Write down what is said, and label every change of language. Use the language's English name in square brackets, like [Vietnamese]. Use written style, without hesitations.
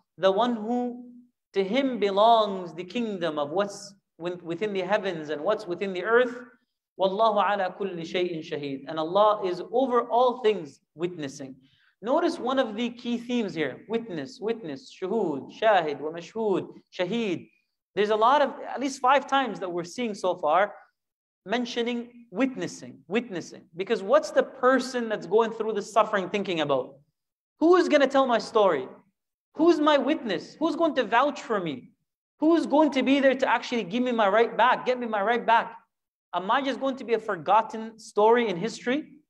[English] The one who, to him belongs the kingdom of what's within the heavens and what's within the earth. [Arabic] وَاللَّهُ عَلَى كُلِّ شَيْءٍ شَهِيدٍ. [English] And Allah is over all things witnessing. Notice one of the key themes here. [Arabic] Witness, شهود, شاهد, ومشهود, شهيد. [English] There's a lot of, at least five times that we're seeing so far, mentioning witnessing. Because what's the person that's going through the suffering thinking about? Who is going to tell my story? Who's my witness? Who's going to vouch for me? Who's going to be there to actually get me my right back? Am I just going to be a forgotten story in history?